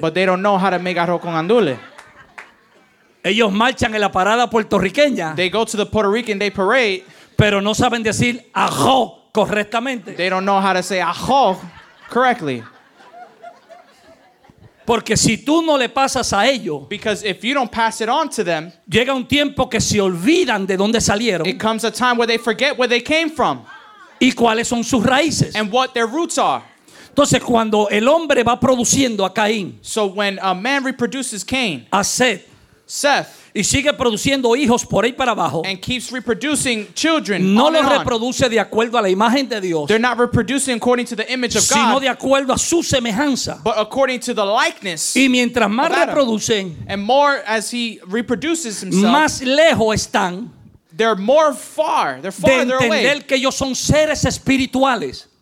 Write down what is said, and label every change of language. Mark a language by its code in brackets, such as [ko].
[en] But they don't know how to make arroz con gandules. [es] Ellos marchan en la parada puertorriqueña. [en] They go to the Puerto Rican Day Parade. [es] Pero no saben decir ajo correctamente. [en] They don't know how to say ajo correctly. [es] Porque si tú no le pasas a ellos. [en] Because if you don't pass it on to them. [es] Llega un tiempo que se olvidan de dónde salieron. [en] It comes a time where they forget where they came from. [es] Y cuáles son sus raíces. [en] And what their roots are. [es] Entonces cuando el hombre va produciendo a Caín. [en] So when a man reproduces Cain. [es] A Seth. [en] Seth. [es] Y sigue produciendo hijos por ahí para abajo. [en] And keeps reproducing children. [es] No los reproduce de acuerdo a la imagen de Dios. [en] They're not reproducing according to the image of [es] sino [en] God. [es] Sino de acuerdo a su semejanza. [en] But according to the likeness. [es] Y mientras más reproducen, [en] and more as he reproduces himself, [es] más lejos están. [en] They're more far. They're farther [es] away. De entender que ellos son seres espirituales.